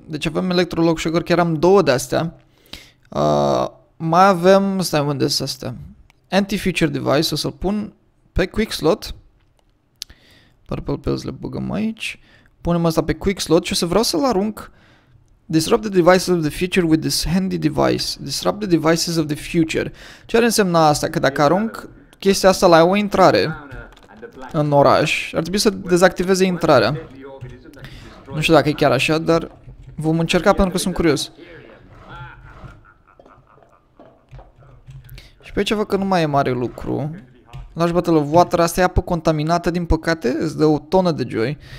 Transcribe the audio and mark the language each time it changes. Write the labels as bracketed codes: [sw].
[ro] Deci avem electro-lock shocker. Chiar am două de astea. Mai avem... Stai, unde sunt astea? Anti-future device. O să-l pun pe quick slot. Purple pills le băgăm aici. Punem asta pe quick slot și o să vreau să-l arunc. [en] Disrupt the devices of the future with this handy device. Disrupt the devices of the future. [ro] Ce ar însemna asta? Că dacă arunc chestia asta la o intrare în oraș, ar trebui să dezactiveze intrarea. Nu știu dacă e chiar așa, dar vom încerca pentru că sunt curios. Și pe aici văd că nu mai e mare lucru. Large bottle of water, asta e apă contaminată, din păcate, îți dă o tonă de joy.